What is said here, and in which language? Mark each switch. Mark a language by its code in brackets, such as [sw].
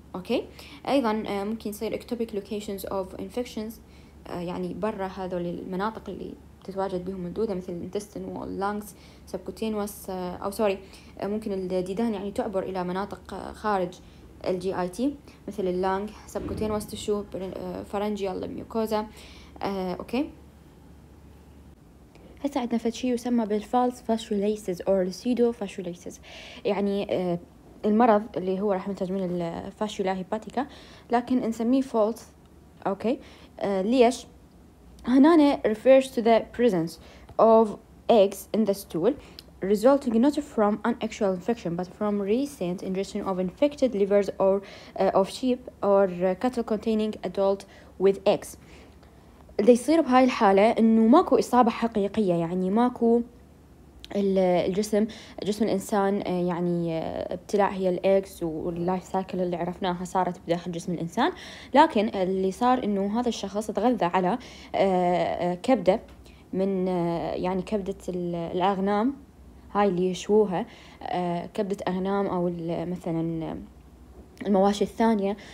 [ar] اوكي ايضا ممكن يصير [en] ectopic locations of infections، [ar] يعني برا هذول المناطق اللي تتواجد بهم الدودة مثل الانتستين واللانكس سبكوتينوس، أو سوري ممكن الديدان يعني تعبر إلى مناطق خارج الجي آي تي مثل اللانج سبكوتينوس تشو فارنجيال ميوكوزا. أوكي هسه عندنا فتشي يسمى بالفالس فاشوليسز أو السيدو فاشوليسز، يعني المرض اللي هو راح ينتج من الفاشولا هيباتيكا لكن نسميه فالس. [en] okay [ar] ليش؟ هنا [en] refers to the presence of eggs in the stool resulting not from an actual infection but from recent ingestion of infected livers or of sheep or cattle containing adult with eggs. [ar] اللي يصير بهاي الحالة انه ماكو اصابة حقيقية، يعني ماكو الجسم جسم الانسان يعني ابتلع هي الاكس واللايف سايكل اللي عرفناها صارت بداخل جسم الانسان، لكن اللي صار انه هذا الشخص تغذى على كبده من يعني كبده الاغنام، هاي اللي يشوها كبده اغنام او مثلا المواشي الثانيه.